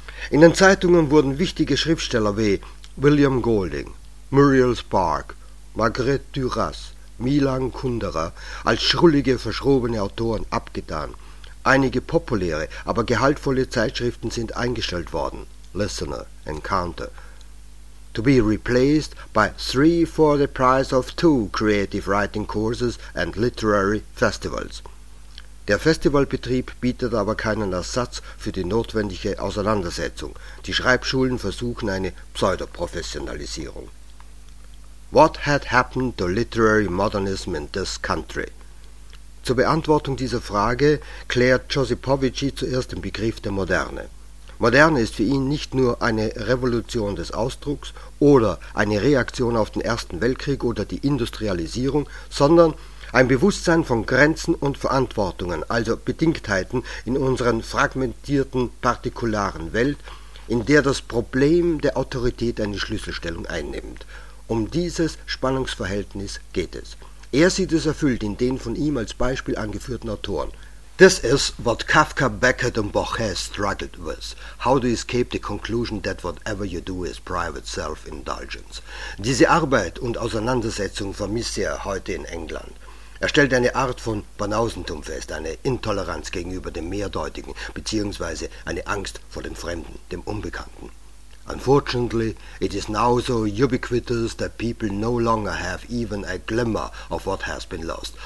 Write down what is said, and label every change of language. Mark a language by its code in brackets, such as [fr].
[de] In den Zeitungen wurden wichtige Schriftsteller wie William Golding, Muriel Spark, Marguerite Duras, Milan Kundera als schrullige, verschrobene Autoren abgetan. Einige populäre, aber gehaltvolle Zeitschriften sind eingestellt worden. Listener, Encounter. [en] To be replaced by 3 for the price of 2 creative writing courses and literary festivals. [de] Der Festivalbetrieb bietet aber keinen Ersatz für die notwendige Auseinandersetzung. Die Schreibschulen versuchen eine Pseudoprofessionalisierung. [en] What had happened to literary modernism in this country? [de] Zur Beantwortung dieser Frage klärt Josipovici zuerst den Begriff der Moderne. Moderne ist für ihn nicht nur eine Revolution des Ausdrucks oder eine Reaktion auf den Ersten Weltkrieg oder die Industrialisierung, sondern ein Bewusstsein von Grenzen und Verantwortungen, also Bedingtheiten in unserer fragmentierten, partikularen Welt, in der das Problem der Autorität eine Schlüsselstellung einnimmt. Um dieses Spannungsverhältnis geht es. Er sieht es erfüllt in den von ihm als Beispiel angeführten Autoren. [en] This is what Kafka, Beckett und Borges struggled with. How to escape the conclusion that whatever you do is private self-indulgence. [de] Diese Arbeit und Auseinandersetzung vermisse er heute in England. Er stellt eine Art von Banausentum fest, eine Intoleranz gegenüber dem Mehrdeutigen, beziehungsweise eine Angst vor dem Fremden, dem Unbekannten. [en] Unfortunately, it is now so ubiquitous that people no longer have even a glimmer of what has been lost.